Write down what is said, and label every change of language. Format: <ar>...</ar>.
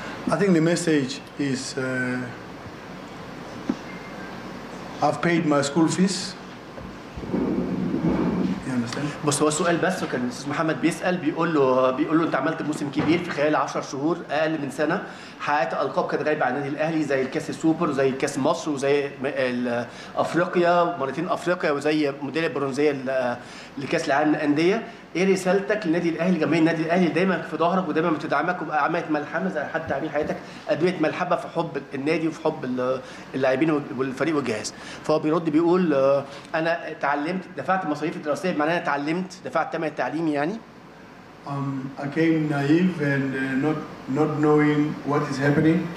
<en>I think the message is I've paid my school fees.</en> <ar>بس هو سؤال بس وكان الاستاذ محمد بيسال بيقول له انت عملت موسم كبير في خلال 10 شهور اقل من سنه حققت القاب كانت غايبه عن النادي الاهلي زي الكاس السوبر وزي كاس مصر وزي افريقيا مرتين افريقيا وزي ميداليه برونزيه لكاس العالم للانديه ايه رسالتك للنادي الاهلي جماهير النادي الاهلي دايما في ظهرك ودايما بتدعمك وعملت ملحمه زي حتى عامل حياتك ادويه ملحمه في حب النادي وفي حب اللاعبين والفريق والجهاز فهو بيرد بيقول انا اتعلمت دفعت مصاريف الدراسيه بمعنى انا اتعلمت دفعت ثمن التعليم يعني</ar> <en>I came naive and not knowing what is happening</en>